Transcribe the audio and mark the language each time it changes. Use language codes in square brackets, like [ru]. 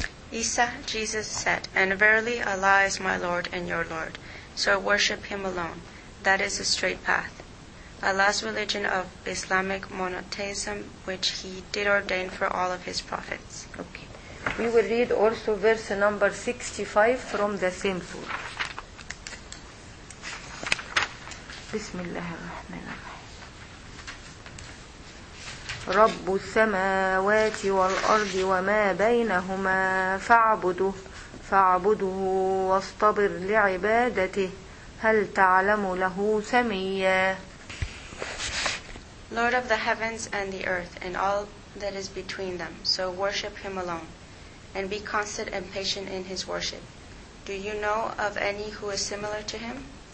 [en] Isa, Jesus said, and verily Allah is my Lord and your Lord, so worship Him alone. That is a straight path. Allah's religion of Islamic monotheism, which He did ordain for all of His prophets. Okay. We will read also verse number 65 from the same surah. [ar] بسم الله الرحمن الرحيم رب السماوات والأرض وما بينهما فاعبده واصطبر لعبادته هل تعلم له سميا. [en] Lord of the heavens and the earth and all that is between them, so worship Him alone and be constant and patient in His worship. Do you know of any who is similar to Him?